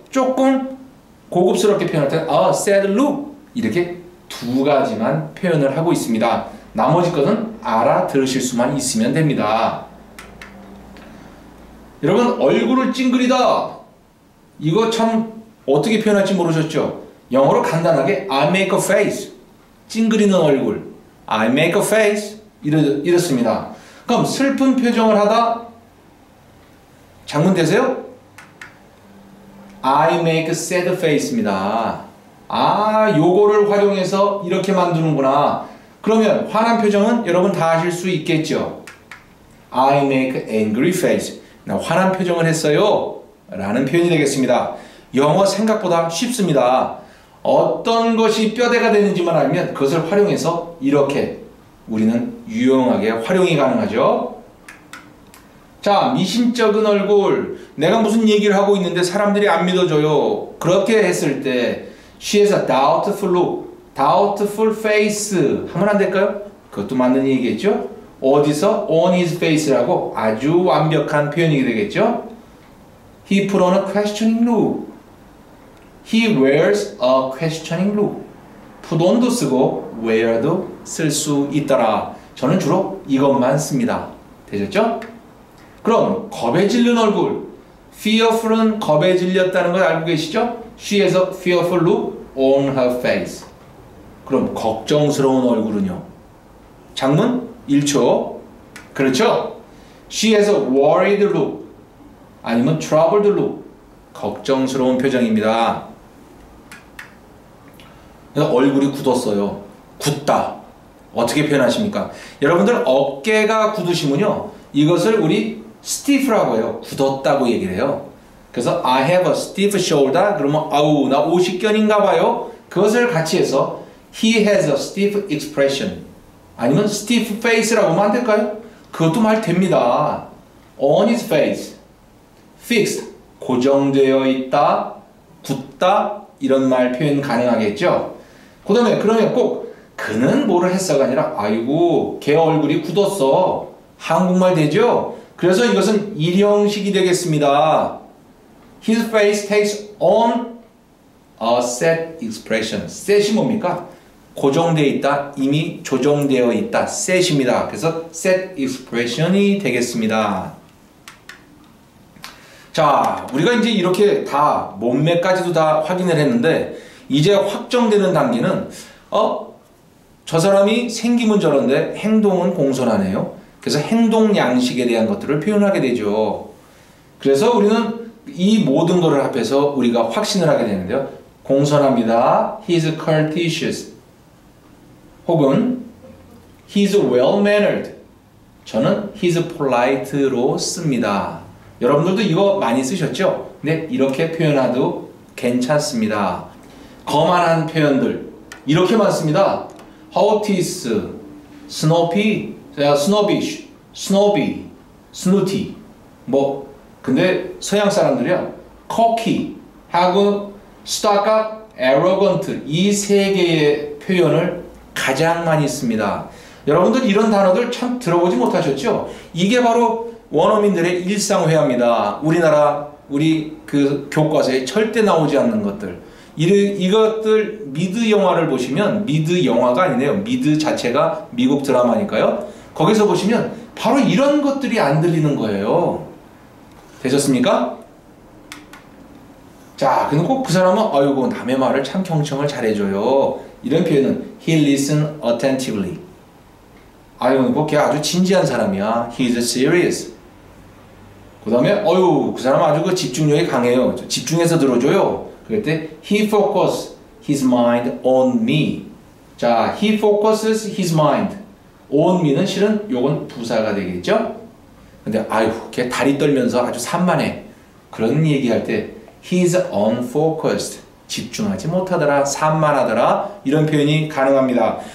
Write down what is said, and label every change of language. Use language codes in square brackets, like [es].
[ko] 조금 고급스럽게 표현할 때 새드 룩, 이렇게 두 가지만 표현을 하고 있습니다. 나머지 것은 알아들으실 수만 있으면 됩니다. 여러분, 얼굴을 찡그리다, 이거 참 어떻게 표현할지 모르셨죠? 영어로 간단하게 [en] I make a face, [ko] 찡그리는 얼굴, [en] I make a face, [ko] 이렇습니다. 그럼 슬픈 표정을 하다, 장문 되세요? [en] I make a sad face입니다. [ko] 아, 요거를 활용해서 이렇게 만드는구나. 그러면 화난 표정은 여러분 다 아실 수 있겠죠? [en] I make angry face. [ko] 나 화난 표정을 했어요 라는 표현이 되겠습니다. 영어 생각보다 쉽습니다. 어떤 것이 뼈대가 되는지만 알면 그것을 활용해서 이렇게 우리는 유용하게 활용이 가능하죠. 자, 미심쩍은 얼굴. 내가 무슨 얘기를 하고 있는데 사람들이 안 믿어줘요. 그렇게 했을 때 [en] she's a doubtful look. Doubtful face [ko] 하면 안될까요? 그것도 맞는 얘기겠죠? 어디서? [en] On his face [ko] 라고 아주 완벽한 표현이 되겠죠? [en] He put on a questioning look. He wears a questioning look. [ko] Put on도 쓰고 wear도 쓸 수 있더라. 저는 주로 이것만 씁니다. 되셨죠? 그럼 겁에 질린 얼굴. Fearful은 겁에 질렸다는 걸 알고 계시죠? [en] She has a fearful look on her face. [ko] 그럼 걱정스러운 얼굴은요? 장문 1초. 그렇죠? [en] She has a worried look. [ko] 아니면 [en] troubled look. [ko] 걱정스러운 표정입니다. 얼굴이 굳었어요. 굳다. 어떻게 표현하십니까? 여러분들 어깨가 굳으시면요, 이것을 우리 stiff라고 해요. 굳었다고 얘기를 해요. 그래서 [en] I have a stiff shoulder. [ko] 그러면 아우, 나 50견인가 봐요. 그것을 같이 해서 [en] He has a stiff expression. [ko] 아니면 [en] stiff face [ko] 라고 하면 안 될까요? 그것도 말 됩니다. [en] On his face. Fixed. [ko] 고정되어 있다. 굳다. 이런 말 표현 가능하겠죠? 그 다음에 그러면 꼭 그는 뭐를 했어가 아니라 아이고 걔 얼굴이 굳었어. 한국말 되죠? 그래서 이것은 일형식이 되겠습니다. [en] His face takes on a set expression. [ko] Set이 뭡니까? 고정되어 있다, 이미 조정되어 있다, set입니다. 그래서 set expression이 되겠습니다. 자, 우리가 이제 이렇게 다 몸매까지도 다 확인을 했는데 이제 확정되는 단계는 저 사람이 생김은 저런데 행동은 공손하네요. 그래서 행동 양식에 대한 것들을 표현하게 되죠. 그래서 우리는 이 모든 것을 합해서 우리가 확신을 하게 되는데요. 공손합니다. [en] He's courteous. 혹은 He's well-mannered. [ko] 저는 [en] He's polite [ko] 로 씁니다. 여러분들도 이거 많이 쓰셨죠? 네, 이렇게 표현해도 괜찮습니다. 거만한 표현들 이렇게 많습니다. [en] Hottest, Snoopy, Snobbish, Snobby, Snooty. [ko] 뭐 근데 서양 사람들이야 Cocky 하고 스타크업, 에러건트 이 세 개의 표현을 가장 많이 씁니다. 여러분들 이런 단어들 참 들어보지 못하셨죠? 이게 바로 원어민들의 일상회화입니다. 우리나라 우리 그 교과서에 절대 나오지 않는 것들. 이것들 미드 영화를 보시면, 미드 영화가 아니네요. 미드 자체가 미국 드라마니까요. 거기서 보시면 바로 이런 것들이 안 들리는 거예요. 되셨습니까? 자, 근데 꼭 그 사람은 아이고 남의 말을 참 경청을 잘해줘요. 이런 표현은 [en] He listened attentively. [ko] 아이고 뭐 걔 아주 진지한 사람이야. [en] He is serious. [ko] 그 다음에 아이고 그 사람 아주 그 집중력이 강해요. 집중해서 들어줘요. 그럴 때 [en] He focused his mind on me. 자, He focuses his mind on me는 [ko] 실은 요건 부사가 되겠죠. 근데 아이고 걔 다리 떨면서 아주 산만해. 그런 얘기할 때 [en] He's unfocused. [ko] 집중하지 못하더라. 산만하더라. 이런 표현이 가능합니다.